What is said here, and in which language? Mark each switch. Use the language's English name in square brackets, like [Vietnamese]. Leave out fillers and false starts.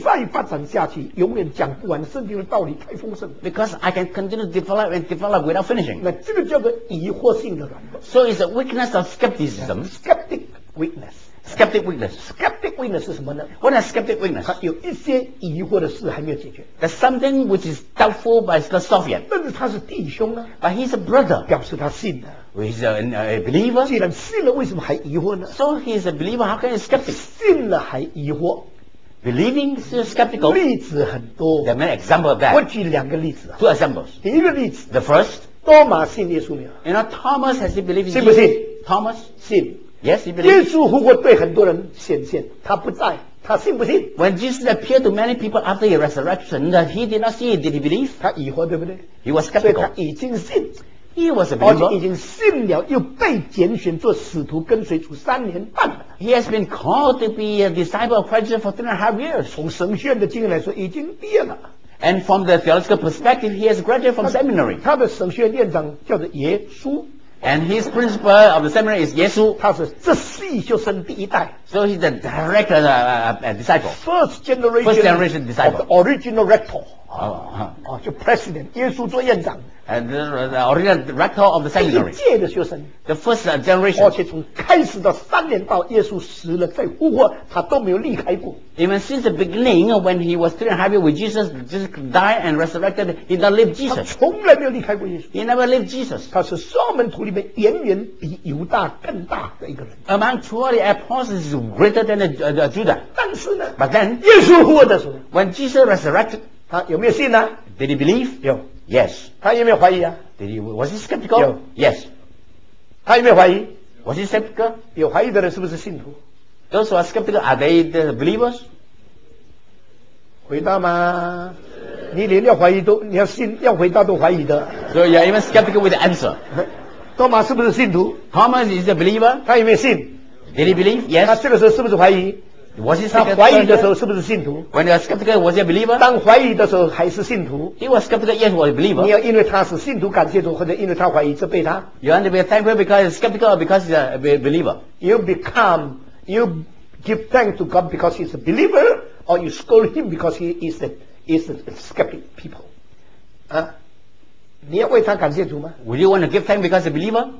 [Chinese] 再发展下去，永远讲不完。圣经的道理太丰盛。 [English] Because I can continue to develop and develop without finishing. [Chinese] 那这个叫做疑惑性的软弱。 [English] So it's a weakness of skepticism. Skeptic weakness. Skeptic weakness. Skeptic weakness [Chinese] 是什么呢？ [English] What is skeptic weakness? [Chinese] 它有一些疑惑的事还没有解决。 [English] There's something which is doubtful but it's not solved yet. [Chinese] 但是他是弟兄啊。 [English] But he's a brother. [Chinese] 表示他信的。 [English] He's a believer. [Chinese] 既然信了，为什么还疑惑呢？ [English] So he's a believer. How can he skeptic? [Chinese] 信了还疑惑。 [English] Believing is skeptical. [Chinese] 例子很多。 [English] There are many examples of that. [Chinese] 我举两个例子。 [English] Two examples. [Chinese] 第一个例子。 [English] The first. [Chinese] 多马信耶稣没有？ [English] You know, Thomas has he believed in [Chinese] Jesus? 信不信？ [English] Thomas? [Chinese] 信。 [English] Yes, he [Chinese] believes. 耶稣复活对很多人显现，他不在，他信不信 [English] ？When Jesus appeared to many people after his resurrection, he did not see it. Did he believe? [Chinese] 他疑惑，对不对 [English] ？He was skeptical. [Chinese] 所以他已经信 [English] ，He was a believer. [Chinese] 而且已经信了，又被拣选做使徒，跟随主三年半。 [English] He has been called to be a disciple of Christ for 3.5 years. [Chinese] 从神学院的经验来说，已经毕业了。 [English] And from the theological perspective, he has graduated from seminary. [Chinese] 他的神学院院长叫做耶稣。 [English] And his principal of the seminary is 耶稣。 [Chinese] 他是这四修生第一代。 [English] So he's the direct disciple. First generation disciple. The original rector. 就 president. [Chinese] 耶稣做院长。 [English] And the original rector of the seminary. [Chinese] 第一届的修生。 [English] The first generation. [Chinese] 而且从开始到三年到耶稣死了再复活，他都没有离开过。 [English] Even since the beginning, when he was 3.5 years with Jesus, Jesus died and resurrected, he did not leave Jesus. [Chinese] 他从来没有离开过耶稣。 [English] He never left Jesus. [Chinese] 他是十二门徒里面远远比犹大更大的一个人。 [English] Among 12 apostles, is greater than the Judah. [Chinese] 但是呢 [English] ，But then, [Chinese] 耶稣复活的时候 [English] ，When Jesus resurrected, [Chinese] 他有没有信呢 [English] ？Did he believe? [Chinese] 有。 [English] Yes. [Chinese] 他有没有怀疑啊 [English] ？Did he? Was he skeptical? [Chinese] 有。 [English] Yes. [Chinese] 他有没有怀疑 [English] ？Was he skeptical? [Chinese] 有怀疑的人是不是信徒 [English] ？Those who are skeptical are they the believers? [Chinese] 回答吗？你连要怀疑都，你要信要回答都怀疑的。 [English] So you're even skeptical with the answer. [Chinese] 多马是不是信徒 [English] ？Thomas is a believer. [Chinese] 他有没有信 [English] ？Did he believe? Yes. [Chinese] 他这个时候是不是怀疑 [English] ？Was he skeptical? [Chinese] 他怀疑的时候是不是信徒 [English] ？When you're skeptical, was he a believer? [Chinese] 当怀疑的时候还是信徒 [English] ？He was skeptical. Yes, was a believer. [Chinese] 你要因为他是信徒感谢主，或者因为他怀疑责备他 [English] ？You have to be thankful because he's skeptical or because he's a believer. You give thanks to God because he's a believer. Or you scold him because he is the skeptic people. [Chinese] 啊，你要为他感谢主吗 [English] ？Would you want to give thanks because a believer?